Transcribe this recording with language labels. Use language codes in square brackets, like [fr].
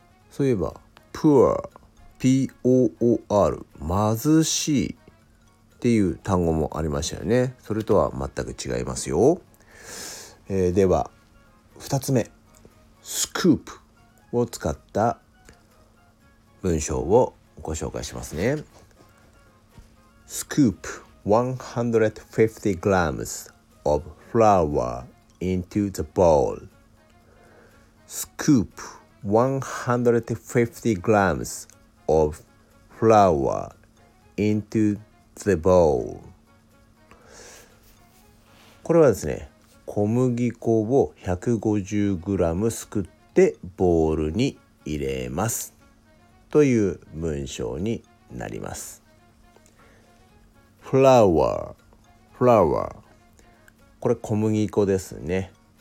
[ja] そういえば poor、 pour、 貧しいっていう単語もありましたよね。それとは全く違いますよ。では2つ目、 scoop を使った文章をご紹介しますね。 [en] Scoop 150 grams of flour into the bowl. Scoop 150 grams of flour into the bowl. [ja] これはですね、小麦粉を 150g すくってでボールに入れますという文章になります。 flour、 flour、 これ小麦粉ですね。